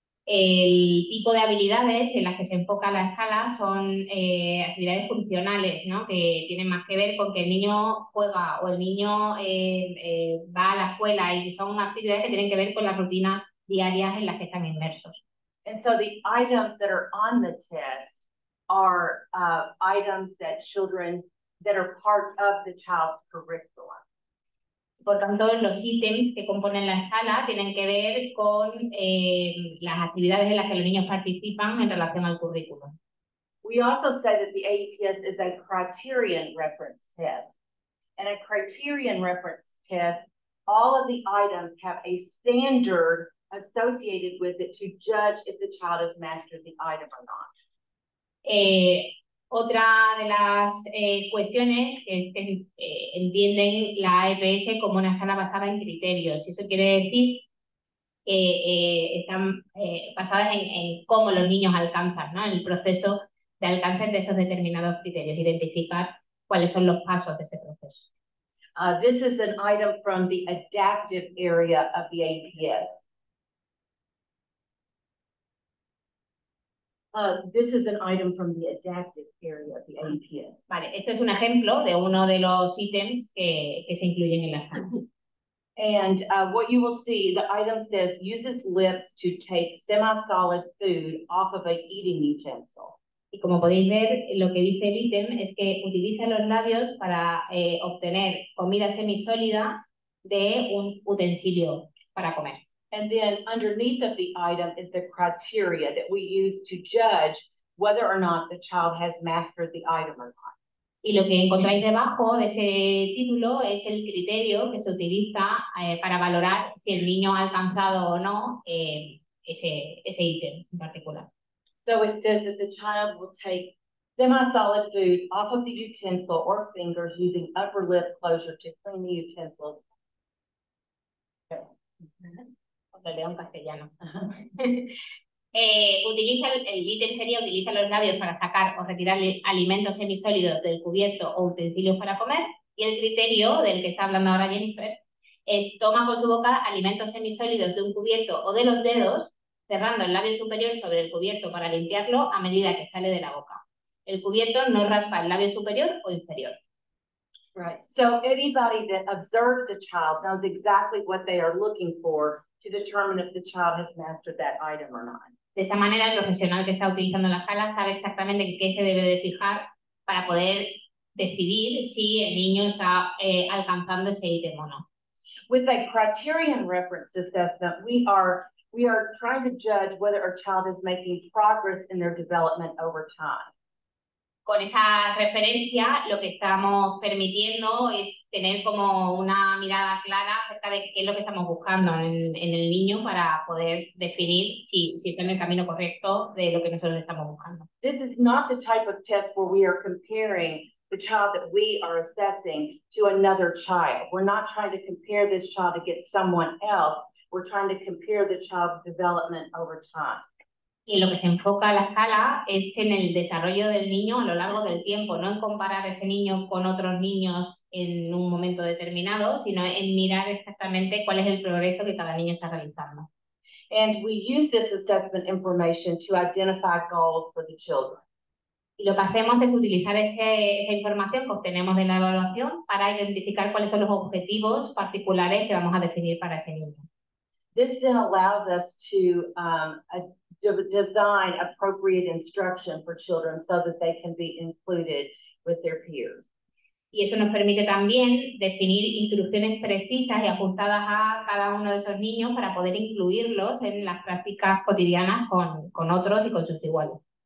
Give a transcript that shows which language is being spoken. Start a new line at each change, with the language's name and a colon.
Spanish: El tipo de habilidades en las que se enfoca la escala son actividades funcionales, ¿no? Que tienen más que ver con que el niño juega o el niño va a la escuela, y son actividades que tienen que ver con las rutinas diarias en las que están inmersos.
English: And so the items that are on the test are items that children that are part of the child's curriculum.
Spanish: Por tanto, los ítems que componen la escala tienen que ver con las actividades en las que los niños participan en relación al currículo.
English: We also say that the AEPS is a criterion reference test. And a criterion reference test, all of the items have a standard associated with it to judge if the child has mastered the item or not.
Spanish: Otra de las cuestiones que entienden la AEPS como una escala basada en criterios. Eso quiere decir que están basadas en cómo los niños alcanzan, ¿no? El proceso de alcance de esos determinados criterios, identificar cuáles son los pasos de ese proceso.
English: This is an item from the adaptive area of the AEPS. This is an item from the adaptive area of the IEPs.
Spanish: Vale, esto es un ejemplo de uno de los ítems que se incluyen en la plan.
English: And what you will see, the item says uses lips to take semi-solid food off of a eating utensil.
Spanish: Y como podéis ver, lo que dice el ítem es que utiliza los labios para obtener comida semisólida de un utensilio para comer.
English: And then underneath of the item is the criteria that we use to judge whether or not the child has mastered the item or not.
Spanish: Y lo que encontráis debajo de ese título es el criterio que se utiliza para valorar si el niño ha alcanzado o no ese ítem en particular.
English: So it says that the child will take semi-solid food off of the utensil or fingers using upper lip closure to clean the utensil.
Spanish: De León castellano. utiliza los labios para sacar o retirar alimentos semisólidos del cubierto o utensilios para comer, y el criterio del que está hablando ahora Jennifer es toma con su boca alimentos semisólidos de un cubierto o de los dedos, cerrando el labio superior sobre el cubierto para limpiarlo a medida que sale de la boca. El cubierto no raspa el labio superior o inferior.
English: Right. So anybody that observes the child knows exactly what they are looking for to determine if the child has mastered that item or not.
Spanish: De esta manera, el profesional que está utilizando la sala sabe exactamente en qué se debe de fijar para poder decidir si el niño está alcanzando ese ítem o no.
English: With a criterion reference assessment, we are trying to judge whether a child is making progress in their development over time.
Spanish: Con esa referencia, lo que estamos permitiendo es tener como una mirada clara acerca de qué es lo que estamos buscando en el niño para poder definir si está en el camino correcto de lo que nosotros estamos buscando.
English: This is not the type of test where we are comparing the child that we are assessing to another child. We're not trying to compare this child against someone else. We're trying to compare the child's development over time.
Spanish: Y lo que se enfoca la escala es en el desarrollo del niño a lo largo del tiempo, no en comparar ese niño con otros niños en un momento determinado, sino en mirar exactamente cuál es el progreso que cada niño está realizando.
English: And we use this assessment information to identify goals for the children.
Spanish: Y lo que hacemos es utilizar esa información que obtenemos de la evaluación para identificar cuáles son los objetivos particulares que vamos a definir para ese niño.
English: This then allows us to design appropriate instruction for children so that they can be included with their peers.
Spanish: Y eso nos permite también definir instrucciones precisas y ajustadas a cada uno de esos niños para poder incluirlos en las prácticas cotidianas con otros y con sus iguales.